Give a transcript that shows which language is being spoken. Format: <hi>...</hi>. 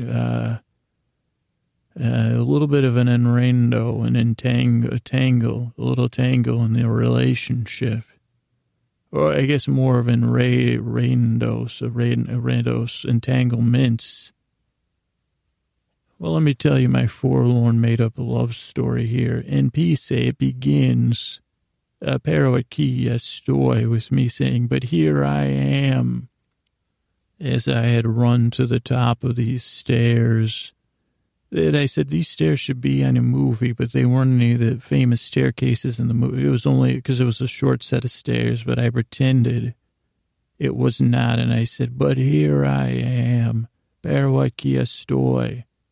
<en>A little bit of an enredo, an entangle, a little tangle in the relationship. Or I guess more of an enredos, entanglements. Well, let me tell you my forlorn made-up love story here. In peace, it begins.</en> <es>A pero aquí estoy</es> <en>with me saying, but here I am. As I had run to the top of these stairs. And I said, these stairs should be in a movie, but they weren't any of the famous staircases in the movie. It was only because it was a short set of stairs, but I pretended it was not. And I said, but here I am.</en> <es>Pero aquí estoy.</es>